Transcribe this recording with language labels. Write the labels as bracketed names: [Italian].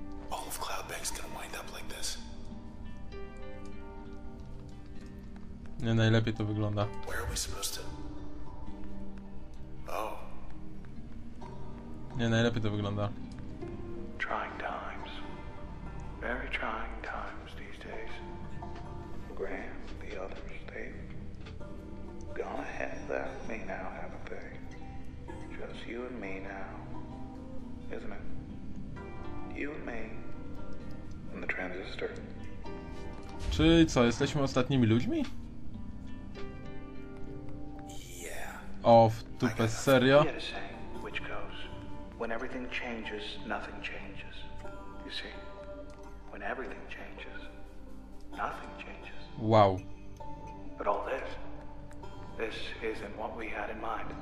[English] All of Cloudbank's gonna wind up like this. [Polish] Nie najlepiej to wygląda. [English] Where are we supposed to? [Polish] Oh. Nie najlepiej to wygląda. [English] Trying times. Very trying times these days. Grand, the others, they've gone ahead without me now, haven't they? Just you and me now, isn't it? You and me, and the transistor. [Polish] Czy co, jesteśmy ostatnimi ludźmi? Yeah. Oh, w dupę, serio? [English] I got a saying, which goes, when everything changes, nothing changes. You see, when everything changes, nothing changes. Wow. But all this, this isn't what we had in mind.